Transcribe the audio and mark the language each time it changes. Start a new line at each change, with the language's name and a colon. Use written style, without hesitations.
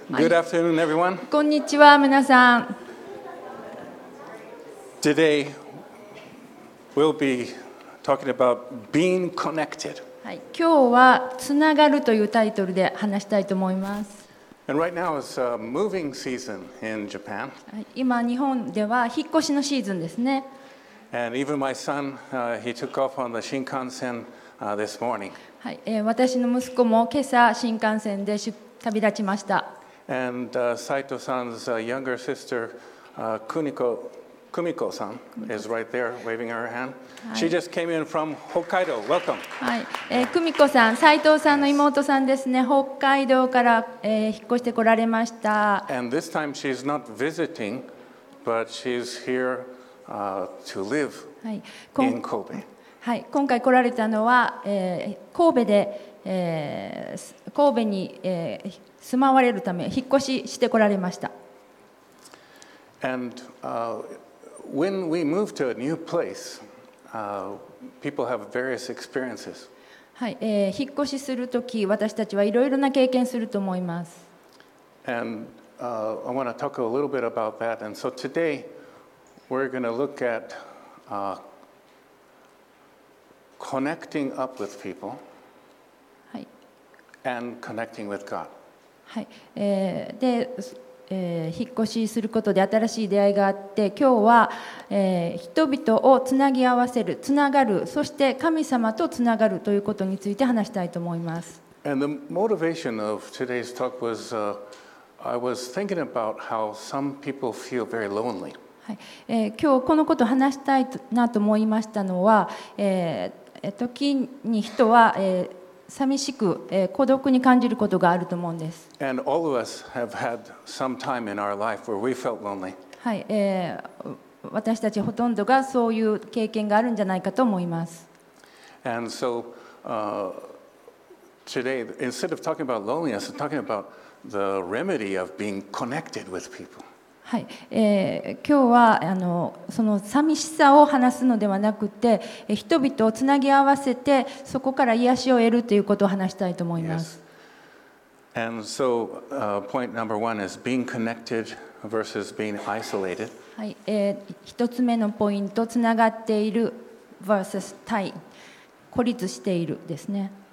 English: Good afternoon, everyone.
Japanese: こんにちは、皆さん。
English: Today, we'll be talking about being connected.
Japanese: はい、今日はつながるというタイトルで話したいと思います。
English: And right now is a moving season in Japan.
Japanese: 今日本では引っ越しのシーズンですね。
English: And even my son, he took off on the Shinkansen this morning.
Japanese: はい、私の息子も今朝新幹線で旅立ちました。
English: And Saito-san's younger sister, Kumiko-san, is right there waving her hand. She just came in from Hokkaido. Welcome.
Japanese: はい、Kumiko-san、Saito-san の妹さんですね。北海道から、引っ越してこられました。
English: And this time she's not visiting, but she's here to live in Kobe.
Japanese: はい、今回来られたのは、神戸で、神戸に、住まわれるため引っ越ししてこられました。
English: And, when we move to a new place, people have various experiences.
Japanese: はい、引っ越しするとき私たちはいろいろな経験すると思います。
English: And, I want to talk a little bit about that. And so today we're going to look at, connecting up with people and connecting with God.
Japanese: はい。で、引っ越しすることで新しい出会いがあって、今日は、人々をつなぎ合わせる、つながる、そして神様とつながるということについて話したいと思います。
English: And the motivation of today's talk was, I was thinking about how some people feel very lonely.
Japanese: はい。今日このことを話したいなと思いましたのは、時に人は、寂しく、孤独に感じることがあると思うんです。
English: And all of us have had some time in our life where we felt lonely.
Japanese: はい、私たちほとんどがそういう経験があるんじゃないかと思います。
English: And so, today, instead of talking about loneliness, I'm talking about the remedy of being connected with people.
Japanese: はい、今日はその寂しさを話すのではなくて、人々をつなぎ合わせてそこから癒しを得るということを話したいと思います。
English: Yes. And so, point number one is being connected versus being isolated.
Japanese: はい、一つ目のポイント、つながっている versus 対、孤立しているですね。